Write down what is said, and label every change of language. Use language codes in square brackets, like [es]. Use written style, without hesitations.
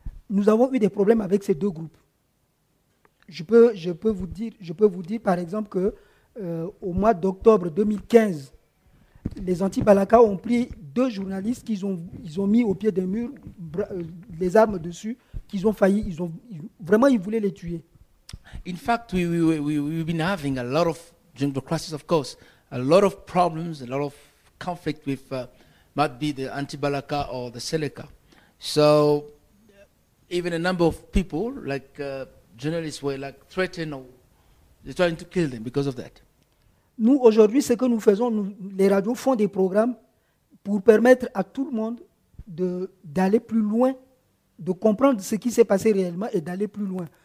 [fr] Nous avons eu des problèmes avec ces deux groupes. Je peux vous dire, par exemple, que au mois d'octobre 2015, les Anti-Balaka ont pris deux journalistes qu'ils ont mis au pied d'un mur, les armes dessus, qu'ils ont failli, ils voulaient les tuer. [en] In fact, we've been having a lot of, during the crisis, of course, a lot of problems, a lot of conflict with, might be the Anti-Balaka or the Seleka. So, even a number of people, like journalists, were like threatened or they're trying to kill them because of that. [fr] Nous, aujourd'hui, ce que nous faisons, les radios font des programmes pour permettre à tout le monde d'aller plus loin, de comprendre ce qui s'est passé réellement et d'aller plus loin.